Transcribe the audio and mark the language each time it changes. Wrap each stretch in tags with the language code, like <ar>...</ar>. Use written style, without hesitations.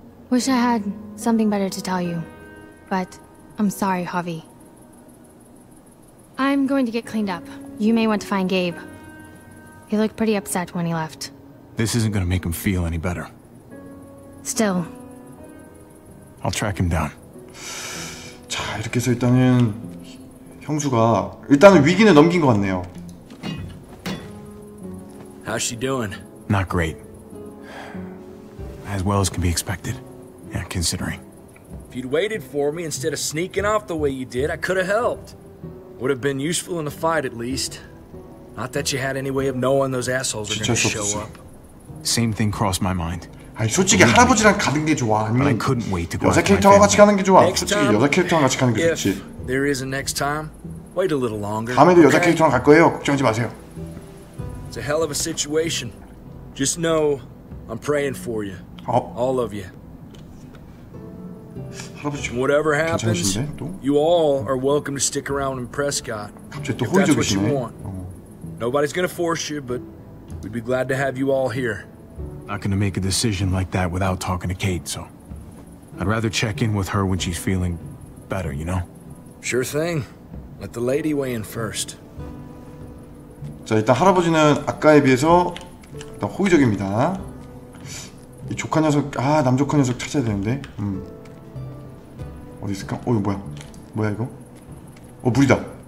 <en>Wish I had something better to tell you. But I'm sorry, Javi. I'm going to get cleaned up. You may want to find Gabe. He looked pretty upset when he left. This isn't going to make him feel any better. Still. I'll track him down.</en> <ko>자, 이렇게 해서 일단은 형수가 일단은 위기는 넘긴 것 같네요.</ko> <en>How's she doing? Not great. As well as can be expected. Yeah, considering. If you'd waited for me instead of sneaking off the way you did, I could have helped. Would have been useful in the fight at least. Not that you had any way of knowing those assholes were going to show up. Same thing crossed my mind.</en> <ko>아니, 솔직히 할아버지랑 가는 게 좋아. 아니면</ko> <en>I couldn't wait to go.</en> <ko>여자 캐릭터와 같이 가는 게 좋아. 솔직히 여자 캐릭터랑 같이 가는 게 좋지.</ko> <en>There is a next time. Wait a little longer.</en> <ko>다음에도 여자 캐릭터랑 갈 거예요. 걱정하지 마세요.</ko> <en>It's a hell of a situation. Just know I'm praying for you. All of you.</en> <ko>할아버지.</ko> <en>Whatever happens,</en> <ko>괜찮으신데,</ko> <en>you all are welcome to stick around in Prescott.</en> <ko>갑자기 또 호의적이시네.</ko> <en>Nobody's gonna force you, but we'd be glad to have you all here. Not gonna make a decision like that without talking to Kate, so I'd rather check in with her when she's feeling better, you know? Sure thing. Let the lady weigh in first.</en> <ko>자, 일단 할아버지는 아까에 비해서 일단 호의적입니다. 이 조카 녀석, 아, 남조카 녀석 찾아야 되는데. 어디 있을까? 어, 이거 뭐야? 뭐야, 이거? 어, 물이다.</ko>